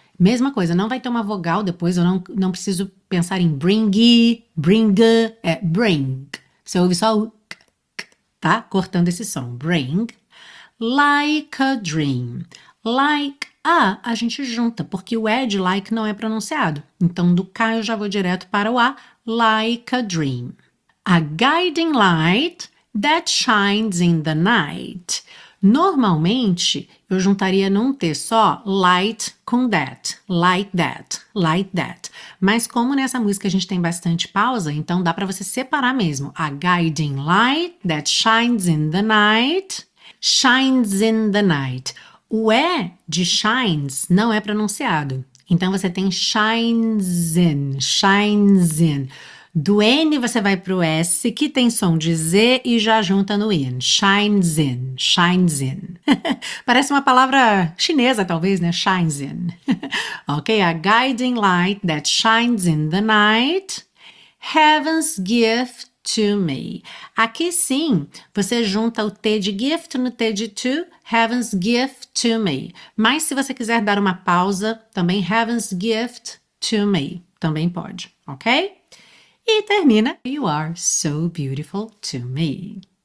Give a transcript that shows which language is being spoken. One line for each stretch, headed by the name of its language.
Portuguese: Mesma coisa, não vai ter uma vogal depois, eu não preciso pensar em bringy, bringa, é bring. Você ouve só o k, tá? Cortando esse som, bring.
English: Like a dream.
Portuguese: Like a gente junta, porque o ed like não é pronunciado. Então, do k eu já vou direto para o a,
English: like a dream. A guiding light that shines in the night.
Portuguese: Normalmente, eu juntaria num T só light com that, like that, like that. Mas como nessa música a gente tem bastante pausa, então dá para você separar mesmo.
English: A guiding light that shines in the night, shines in the night.
Portuguese: O E de shines não é pronunciado. Então você tem shines in. Do N você vai para o S, que tem som de Z e já junta no in. Shines in. Parece uma palavra chinesa, talvez, né? Shines in.
English: Ok? A guiding light that shines in the night. Heaven's gift to me.
Portuguese: Aqui sim, você junta o T de gift no T de to.
English: Heaven's gift to me.
Portuguese: Mas se você quiser dar uma pausa, também heaven's gift to me. Também pode, ok? E termina.
English: You are so beautiful to me.